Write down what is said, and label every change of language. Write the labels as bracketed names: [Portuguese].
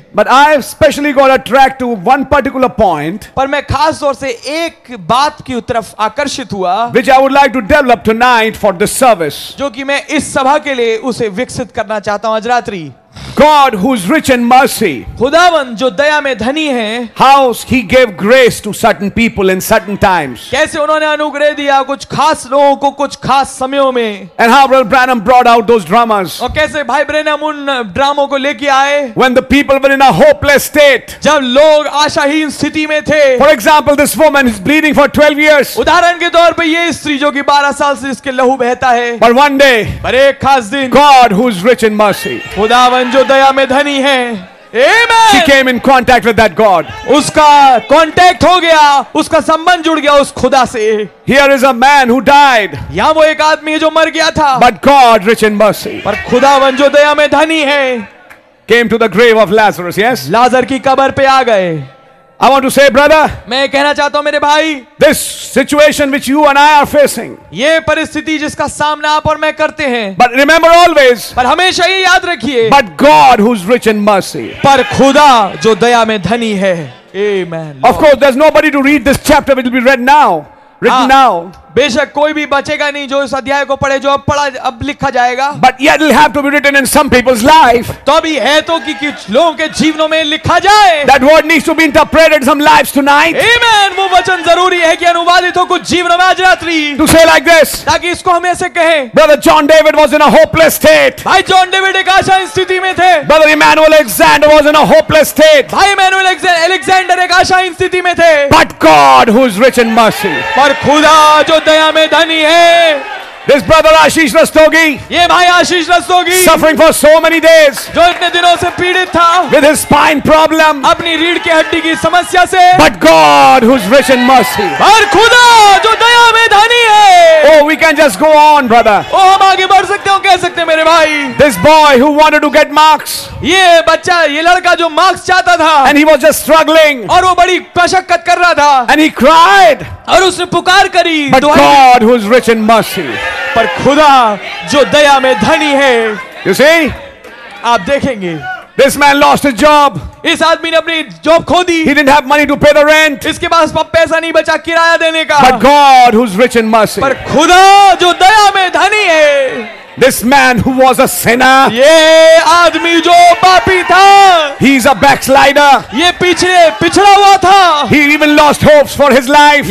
[English] But I have specially got attract to one particular point. [Hindi] पर मैं खास तौर से एक बात की तरफ आकर्षित हुआ. [English] Which I would like to develop tonight for the service. [Hindi] जो कि मैं इस सभा के लिए उसे विकसित करना चाहता हूँ आज रात्रि. [English] God who is rich in mercy. [Hindi] खुदावन जो दया में धनी है. [English] How he gave grace to certain people in certain times. [Hindi] कैसे उन्होंने अनुग्रह दिया कुछ खास लोगों को कुछ खास समयों में. [English] And how Brother Branham brought out those dramas. [Hindi] और कैसे भाई ब्रैनम उन ड्रामों को लेके आए. [English] When the people were in a hopeless state. [Hindi] जब लोग आशाहीन स्थिति में थे. [English] For example, this woman is bleeding for 12 years. [Hindi] उदाहरण के तौर पे ये स्त्री जो कि 12 साल से इसके लहू बहता है. [English] But one day. [Hindi] पर एक खास दिन. [English] God who is rich in mercy. [Hindi] खुदावन जो दया में धनी है. [English] Amen. She came in contact with that God. [Hindi] उसका कांटेक्ट हो गया, उसका संबंध जुड़ गया उस खुदा से. [English] Here is a man who died. [Hindi] यहाँ वो एक आदमी है जो मर गया था. [English] But God, rich in mercy. [Hindi] पर खुदावन जो दया में धनी है. [English] Came to the grave of Lazarus. Yes. [Hindi] लाजर की कब्र पे आ गए. [English] I want to say, brother. [Hindi] मैं कहना चाहता हूँ मेरे भाई. [English] This situation which you and I are facing. [Hindi] ये परिस्थिति जिसका सामना आप और मैं करते हैं. [English] But remember always. [Hindi] पर हमेशा ये याद रखिए. [English] But God who's rich in mercy. [Hindi] पर खुदा जो दया में धनी है. Amen. [English] Of course, there's nobody to read this chapter which will be read now. Written now. [Hindi] बेशक कोई भी बचेगा नहीं जो इस अध्याय को पढ़े जो अब पढ़ा अब लिखा जाएगा. [English] But yet it'll have to be written in some people's life. [Hindi] तो अभी है तो कि कुछ लोगों के जीवनों में लिखा जाए. [English] That word needs to be interpreted some lives tonight. Amen. [Hindi] वो वचन जरूरी है कि अनुवादित हो कुछ जीवनों में आज रात्रि. [English] To say like this. [Hindi] ताकि इसको हम ऐसे कहें. [English] Brother John David was in a hopeless state. [Hindi] भाई जॉन डेविड एक आशाहीन स्थिति में थे. [English] Brother Emmanuel Alexander was in a hopeless state. [Hindi] भाई Emmanuel Alexander एक आशाहीन स्थिति में थे. [English] But God who is rich in mercy. [Hindi] पर खुदा जो दया में धनी है. [English] This brother Ashish Rastogi. [Hindi] ये भाई आशीष Rastogi. [English] Suffering for so many days. [Hindi] जो इतने दिनों से पीड़ित था. [English] With his spine problem. [Hindi] अपनी रीढ़ की हड्डी की समस्या से. [English] But God who's rich in mercy. [Hindi] और खुदा जो दया में धनी है. [English] Oh, we can just go on, brother. [Hindi] Oh, हम आगे बढ़ सकते हो कह सकते मेरे भाई. [English] This boy who wanted to get marks. [Hindi] ये बच्चा ये लड़का जो मार्क्स चाहता था. [English] And he was just struggling. [Hindi] और वो बड़ी मशक्कत कर रहा था. [English] And he cried. [Hindi] और उसने पुकार करी. [English] But God who's rich in mercy. [Hindi] पर खुदा जो दया में धनी है. [English] You see? [Hindi] आप देखेंगे. [English] This man lost his job. [Hindi] इस आदमी ने अपनी जॉब खो दी. [English] He didn't have money to pay the rent. [Hindi] इसके पास पैसा नहीं बचा किराया देने का. [English] But God, who's rich in mercy. [Hindi] पर खुदा जो दया में धनी है. [English] This man who was a sinner. [Hindi] ये आदमी जो पापी था. [English] He's a backslider. [Hindi] ये पिछड़े पिछड़ा हुआ था. [English] He even lost hopes for his life.